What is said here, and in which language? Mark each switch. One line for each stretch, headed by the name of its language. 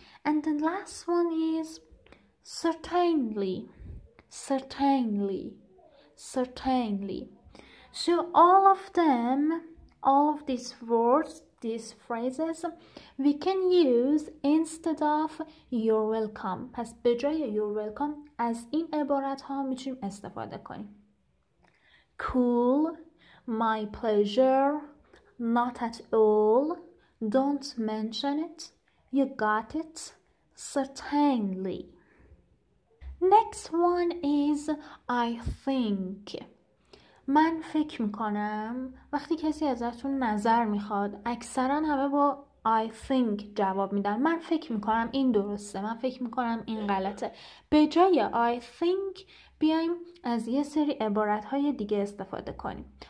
English: And the last one is certainly. Certainly. Certainly. So all of them, all of these words, these phrases, we can use instead of you're welcome.
Persian: پس به جای you're welcome از این عبارت ها میتونیم استفاده کنیم.
English: Cool, my pleasure, not at all, don't mention it, you got it, certainly. Next one is I think.
Persian: من فکر میکنم وقتی کسی ازتون نظر میخواد اکثرا همه با I think جواب میدن. من فکر میکنم این درسته. من فکر میکنم این غلطه. به جای I think بیایم از یه سری عبارتهای دیگه استفاده کنیم.